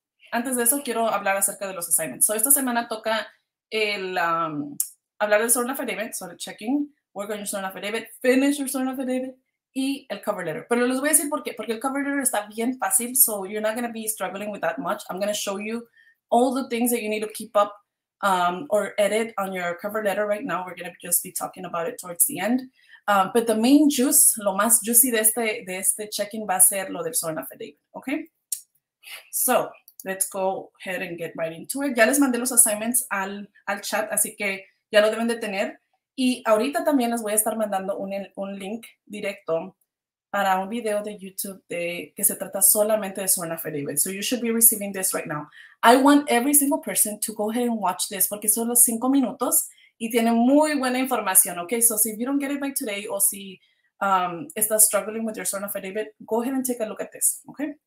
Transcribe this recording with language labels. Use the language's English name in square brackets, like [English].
[Spanish] Antes de eso, quiero hablar acerca de los assignments. So, esta semana toca hablar del sworn affidavit, sobre checking, [English] work on your sworn affidavit, [Spanish] finish your sworn affidavit, y el cover letter. Pero les voy a decir por qué. Porque el cover letter está bien fácil, [English] so you're not going to be struggling with that much. I'm going to show you all the things that you need to keep up or edit on your cover letter right now. We're going to just be talking about it towards the end. But the main juice, [Spanish] lo más juicy de este check-in va a ser lo del sworn affidavit, [English] okay? So, let's go ahead and get right into it. [Spanish] Ya les mandé los assignments al, al chat, así que ya lo deben de tener. Y ahorita también les voy a estar mandando un link directo para un video de YouTube de, que se trata solamente de sworn affidavit. [English] So you should be receiving this right now. I want every single person to go ahead and watch this [Spanish] porque son los 5 minutos y tiene muy buena información, [English] okay? So if you don't get it by today [Spanish] o si estás [English] struggling with your sworn affidavit, go ahead and take a look at this, okay?